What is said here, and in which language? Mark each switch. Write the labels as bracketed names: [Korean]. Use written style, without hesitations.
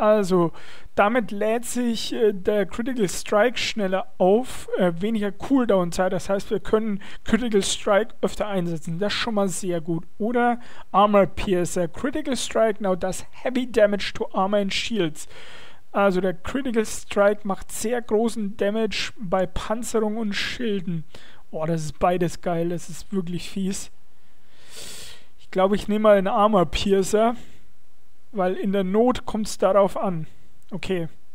[German] Also, damit lädt sich der Critical Strike schneller auf, weniger Cooldown-Zeit. Das heißt, wir können Critical Strike öfter einsetzen. Das ist schon mal sehr gut. Oder Armor Piercer. [English] Critical Strike now does heavy damage to armor and shields. [German] Also der Critical Strike macht sehr großen Damage bei Panzerung und Schilden. Oh, das ist beides geil. Das ist wirklich fies. Ich glaube, ich nehme mal einen Armor Piercer, weil in der Not kommt es darauf an. Okay.